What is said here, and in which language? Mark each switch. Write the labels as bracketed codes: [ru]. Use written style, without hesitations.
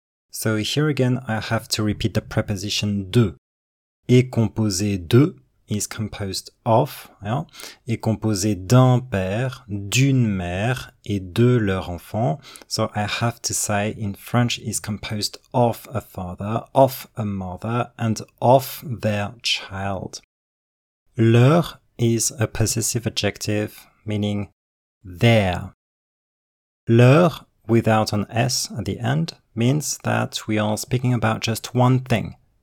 [en] So here again, I have to repeat the preposition de. [fr] Est composé de, [en] is composed of, yeah? [fr] Est composé d'un père, d'une mère et de leur enfant. [en] So I have to say in French, is composed of a father, of a mother and of their child. Leur is a possessive adjective meaning their. Leur without an S at the end means that we are speaking about just one thing.